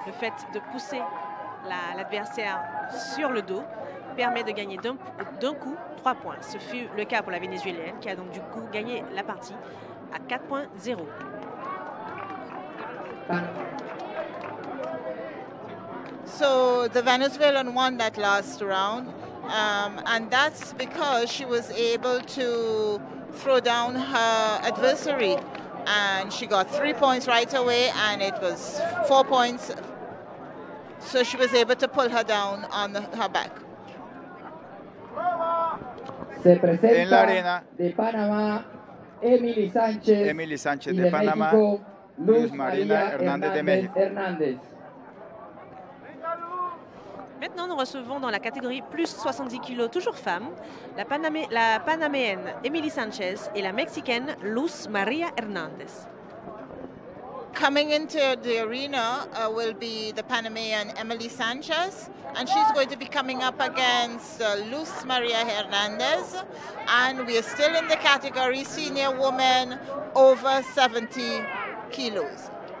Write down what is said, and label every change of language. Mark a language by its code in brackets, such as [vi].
[fr] Le fait de pousser l'adversaire sur le dos permet de gagner d'un coup 3 points. Ce fut le cas pour la Vénézuélienne qui a donc du coup gagné la partie à 4-0. [en] So the Venezuelan won that last round, and that's because she was able to throw down her adversary. And she got 3 points right away, and it was 4 points. So she was able to pull her down on her back. [es] Se presenta en la arena de Panamá, Emily Sánchez. Emily Sánchez de Panamá. México, Luz Marina Hernández de México. Hernández. [fr] Maintenant, nous recevons dans la catégorie plus 70 kg, toujours femme, la panaméenne Emily Sanchez et la mexicaine Luz María Hernández. [en] Coming into the arena will be the Panamanian Emily Sanchez, and she's going to be coming up against Luz María Hernández. And we are still in the category senior woman over 70 kilos.